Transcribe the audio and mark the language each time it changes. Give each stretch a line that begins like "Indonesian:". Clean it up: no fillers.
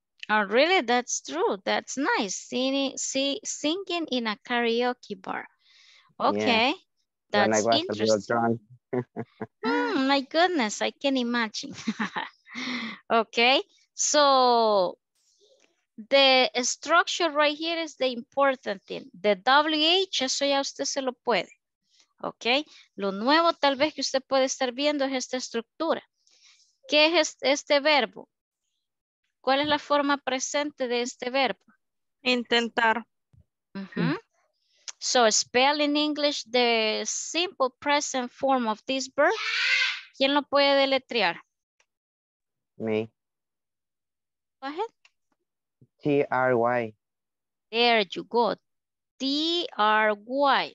English: Oh, really? That's true. That's nice. Singing in a karaoke bar. Okay. Yeah. That's interesting. my goodness. I can imagine. Okay. So the structure right here is the important thing. The WH,
Spanish: eso ya usted se lo puede. Okay. Lo nuevo tal vez que usted puede estar viendo es esta estructura. ¿Qué es este verbo? ¿Cuál es la forma presente de este verbo? Intentar. Mm-hmm.
English: So, spell in English the simple present form of this verb.
Spanish: ¿Quién lo puede deletrear?
English: Me. Go ahead. T-R-Y. There you go. T-R-Y.